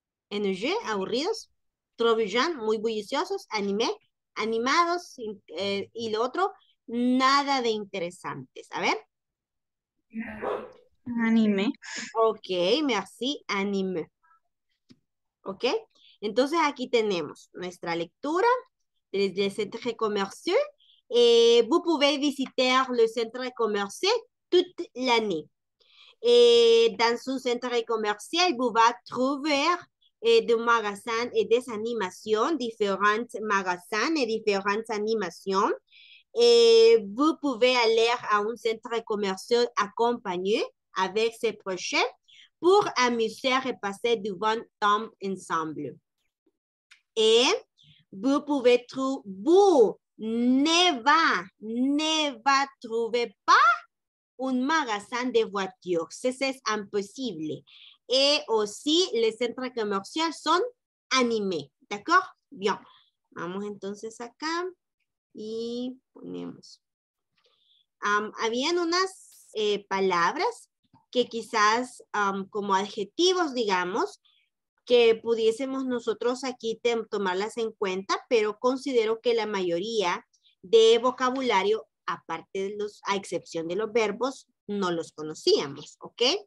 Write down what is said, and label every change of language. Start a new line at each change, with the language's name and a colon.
Spanish: ¿Ennuyeux? ¿Aburridos? ¿Trobillán? ¿Muy bulliciosos? ¿Animé? ¿Animados? ¿Y lo otro? Nada de interesantes. A ver.
French: Anime. Ok, merci, anime.
Spanish: Ok, entonces aquí tenemos nuestra lectura del centro comercial.
French: Vous pouvez visiter le centre commercial toute l'année. Dans un centre commercial, vous va trouver de magasins et des animations, différents magasins et différentes animations. Vous pouvez aller à un centre commercial accompagné avec ses proches pour amuser et passer du bon temps ensemble. Et vous pouvez trouver, vous ne va trouver pas un magasin de voitures. C'est impossible. Et aussi, les centres commerciaux sont animés. D'accord? Bien.
Spanish: Vamos entonces acá y ponemos. Habían unas palabras que quizás como adjetivos, digamos, que pudiésemos nosotros aquí tomarlas en cuenta, pero considero que la mayoría de vocabulario, aparte de los, a excepción de los verbos, no los conocíamos, ¿ok?